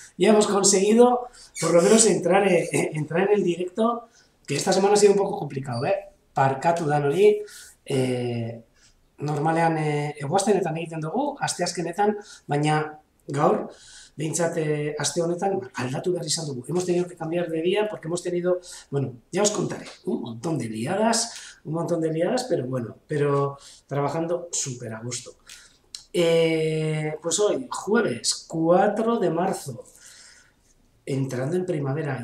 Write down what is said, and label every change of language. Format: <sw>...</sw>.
<es>Ya hemos conseguido por lo menos entrar en el directo, que esta semana ha sido un poco complicado, ¿eh?</es> <eu>Barkatu da hori. Normalean egoazten eta egiten dugu, aste azkenetan, baina gaur, behintzat aste honetan, aldatu behar izan dugu.</eu> <es>Hemos tenido que cambiar de día porque hemos tenido, bueno, ya os contaré, un montón de liadas, pero bueno, pero trabajando súper a gusto. Pues hoy, jueves 4 de marzo, entrando en primavera.</es>